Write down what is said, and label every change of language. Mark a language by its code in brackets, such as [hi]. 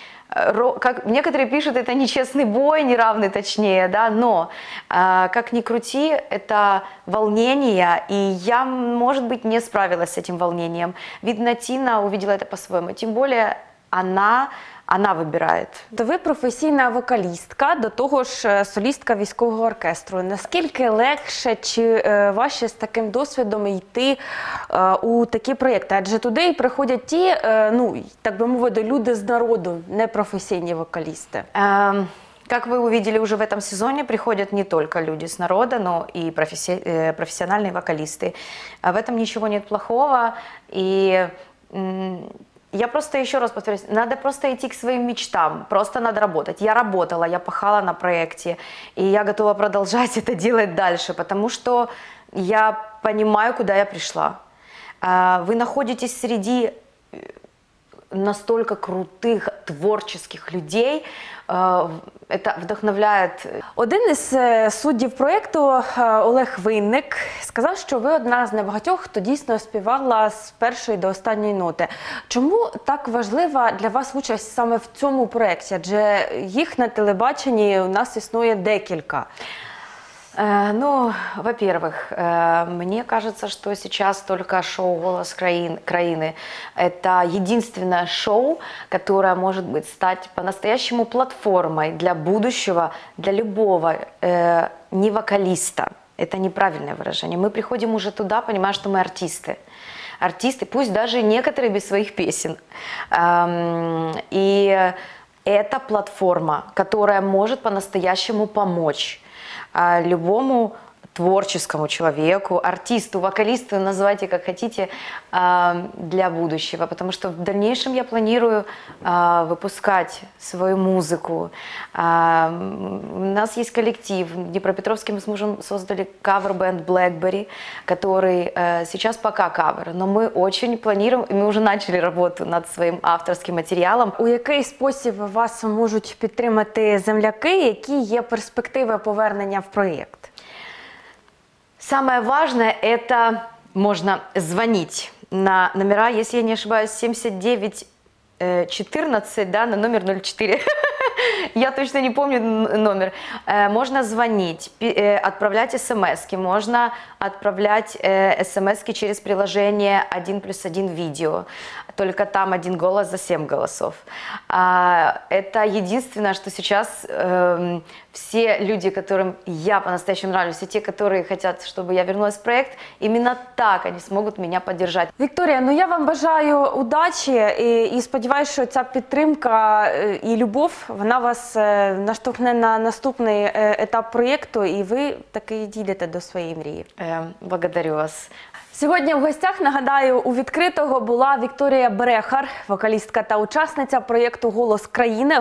[ru] Как некоторые пишут, это нечестный бой, неравный точнее, да, но как ни крути, это волнение, и я, может быть, не справилась с этим волнением. Видно, Тина увидела это по-своему, тем более она выбирает. [uk] То ви професійна вокалістка, до того ж солістка військового оркестру. Наскільки легше чи важче з таким досвідом йти у такі проєкти? Адже туди приходять ті, так би мовити, люди з народу, не професійні вокалісти. [ru] Как вы увидели уже в этом сезоне, приходят не только люди с народа, но и профессиональные вокалисты. В этом ничего нет плохого. И я просто еще раз повторюсь, надо просто идти к своим мечтам, просто надо работать. Я работала, я пахала на проекте, и я готова продолжать это делать дальше, потому что я понимаю, куда я пришла. Вы находитесь среди настолько крутых, творческих людей, это вдохновляет. [uk] Один із суддів проєкту Олег Винник сказав, що ви одна з небагатьох, хто дійсно співала з першої до останньої ноти. Чому так важлива для вас участь саме в цьому проєкті? Адже їх на телебаченні у нас існує декілька. [ru] Ну, во-первых, мне кажется, что сейчас только шоу «Голос країни» – это единственное шоу, которое может быть стать по-настоящему платформой для будущего, для любого не вокалиста. Это неправильное выражение. Мы приходим уже туда, понимая, что мы артисты. Артисты, пусть даже некоторые без своих песен. И это платформа, которая может по-настоящему помочь любому творческому человеку, артисту, вокалисту, называйте как хотите, для будущего. Потому что в дальнейшем я планирую выпускать свою музыку. У нас есть коллектив. В Днепропетровске мы с мужем создали кавер-бенд Blackberry, который сейчас пока кавер. Но мы очень планируем, и мы уже начали работу над своим авторским материалом. [uk] У який спосіб вас можуть підтримати земляки, які є перспективи повернення в проєкт? [ru] Самое важное – это можно звонить на номера, если я не ошибаюсь, 79-14, да, на номер 04. Я точно не помню номер. Можно звонить, отправлять смски, можно отправлять смски через приложение 1+1 видео. Только там один голос за 7 голосов. Это единственное, что сейчас все люди, которым я по-настоящему нравлюсь, и те, которые хотят, чтобы я вернулась в проект, именно так они смогут меня поддержать. [uk] Вікторія, ну я вам бажаю удачі і сподіваюся, що ця підтримка і любов, вона вас наштовхне на наступний етап проєкту, і ви таки дійдете до своєї мрії. [ru] Благодарю вас. [uk] Сьогодні в гостях, нагадаю, у відкритого була Вікторія Брехар, вокалістка та учасниця проєкту «Голос країни».